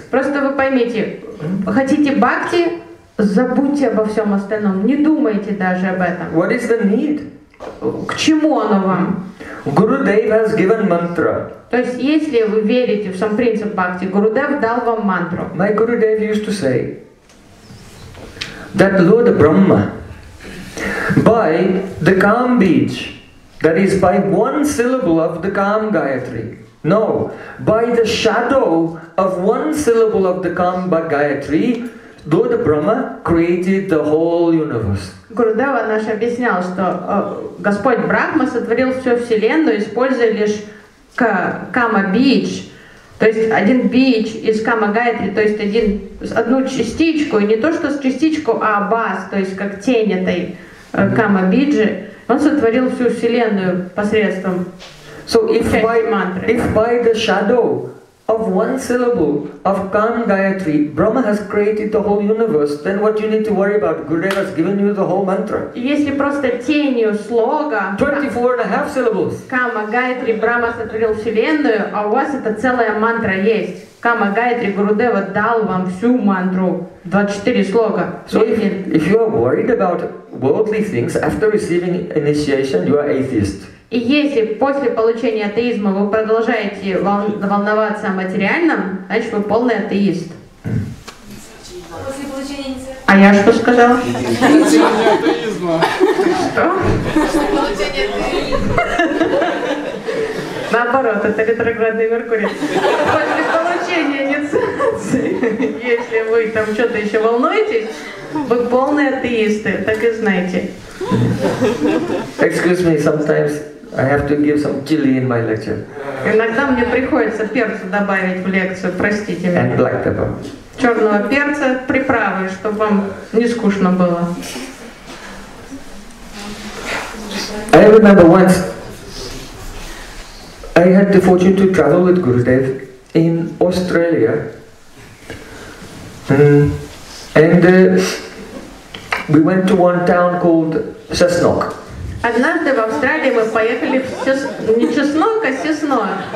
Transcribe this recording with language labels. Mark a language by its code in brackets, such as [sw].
[ru] Просто вы поймите, хотите бхакти, забудьте обо всем остальном, не думайте даже об этом. [en] What is the need? [ru] К чему оно вам? [en] Gurudev has given mantra. [ru] То есть, если вы верите в сам принцип бхакти, Гурудев дал вам мантру. [en] My Gurudev used to say that Lord Brahma, by the Kam Beach, that is by one syllable of the Kam Gayatri. No, by the shadow of one syllable of the Kam Gayatri, Lord Brahma created the whole universe. [ru] Гурудева наш объяснял, что Господь Брахма сотворил всю Вселенную, используя лишь Кама Бич, то есть один бич из Кама Гайатри, то есть одну частичку, и не то что с частичку, а бас, то есть как тень этой Кама Биджи, он сотворил всю Вселенную посредством своей мантры. [en] If by the shadow of one syllable of Kam Gayatri, Brahma has created the whole universe, then what you need to worry about? Gurudev has given you the whole mantra. [ru] Если просто тенью слога [en] 24 and a half syllables. [ru] Kama Gayatri, Brahma сотворил Вселенную, а у вас это целая мантра есть. Kama Gayatri, Gurudev дал вам всю мантру 24 слога. [en] So if you are worried about worldly things, after receiving initiation, you are atheist. [ru] И если после получения атеизма вы продолжаете волноваться о материальном, значит вы полный атеист. После получения инициации. А я что сказала? После получения атеизма. Что? После получения атеизма. Наоборот, это ретроградный Меркурий. После получения инициации, если вы там что-то еще волнуетесь, вы полные атеисты, так и знаете. [en] Excuse me, sometimes I have to give some chili in my lecture. [ru] Иногда мне приходится перца добавить в лекцию, простите меня. [en] And black pepper. [ru] Черного перца, приправы, чтобы вам не скучно было. [en] I remember once I had the fortune to travel with Gurudev in Australia. And we went to one town called Cessnock. [ru] Однажды в Австралии мы поехали в чеснок, а Сесной.